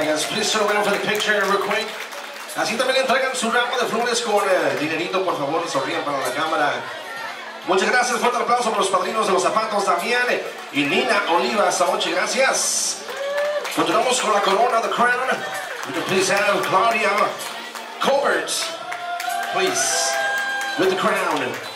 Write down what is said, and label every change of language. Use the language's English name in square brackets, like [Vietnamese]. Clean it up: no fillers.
[English] Please turn around for the picture real quick. [Spanish] Así también entregan su ramo de flores con dinerito, por favor, sonrían para la cámara. Muchas gracias, fuerte aplauso para los padrinos de los zapatos, Damián y Nina Oliva, esta noche, gracias. Continuamos con la corona, [English] the crown. We can please have Claudia Colbert, please, with the crown.